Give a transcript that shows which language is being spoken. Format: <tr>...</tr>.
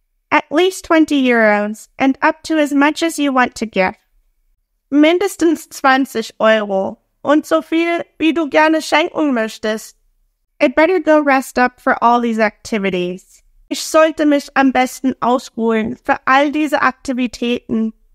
<en>At least 20 euros and up to as much as you want to give.</en> <de>Mindestens 20 Euro und so viel, wie du gerne schenken möchtest.</de> <en>I'd better go rest up for all these activities.</en> <de>Ich sollte mich am besten ausruhen für all diese Aktivitäten.</de>